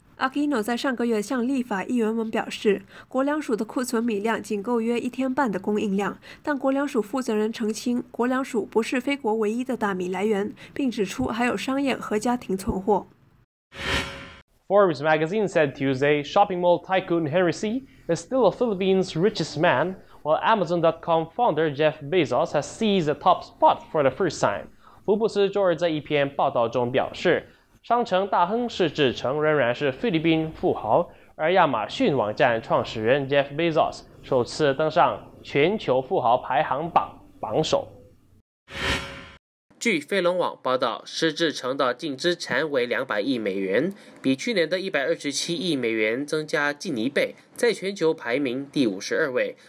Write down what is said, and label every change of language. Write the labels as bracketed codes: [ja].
[zh] Aquino 在上个月向立法议员们表示，国粮署的库存米量仅够约一天半的供应量，但国粮署负责人澄清，国粮署不是菲国唯一的大米来源，并指出还有商业和家庭存货。 [en] Forbes magazine said Tuesday, shopping mall tycoon Henry C. is still the Philippines' richest man, while Amazon.com founder Jeff Bezos has seized the top spot for the first time. [zh] 福布斯周日在一篇报道中表示，商城大亨是指称仍然是菲律宾富豪，而亚马逊网站创始人 Jeff Bezos 首次登上全球富豪排行榜榜首。据飞龙网报道，施志成的净资产为200亿美元，比去年的127亿美元增加近一倍，在全球排名第52位。